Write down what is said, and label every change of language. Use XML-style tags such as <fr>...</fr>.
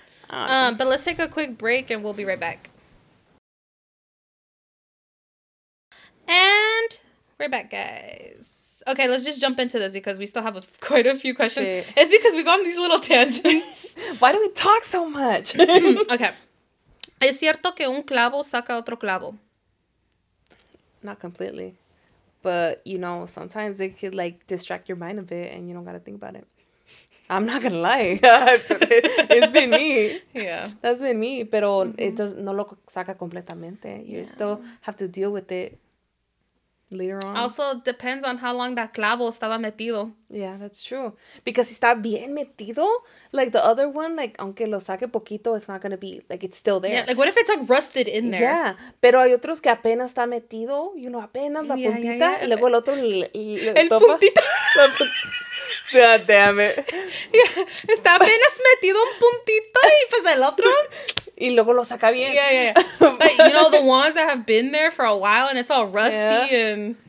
<en>But let's take a quick break and we'll be right back. And we're back, guys. Okay, let's just jump into this because we still have quite a few questions. Shit. It's because we go on these little tangents. Why do we talk so much? Okay.</en> <es>¿Es cierto que un clavo saca otro clavo?</es> <en>Not completely. But, you know, sometimes it could, like, distract your mind a bit and you don't got to think about it. I'm not going to lie. It's been me. Yeah. That's been me.</en> <es>Pero</es> <en>it does,</en> <es>no lo saca completamente.</es> <en>You still have to deal with it. Later on. Also, depends on how long that</en> <es>clavo estaba metido.</es> <en>Yeah, that's true. Because</en> <es>está bien metido,</es> <en>like, the other one, like,</en> <es>aunque lo saque poquito,</es> <en>it's not going to be, like, it's still there. Yeah, like, what if it's, like, rusted in there?</en> <es>Yeah, pero hay otros que apenas está metido,</es> <en>you know,</en> <es>apenas la puntita, y luego el otro el topa. El puntito.</es> <en>God damn it.</en> <es>Yeah, está apenas metido un puntito, y pues el otro... Y luego lo saca bien.</es> <en>Yeah, yeah, yeah. But, you know, the ones that have been there for a while and it's all rusty and...</en>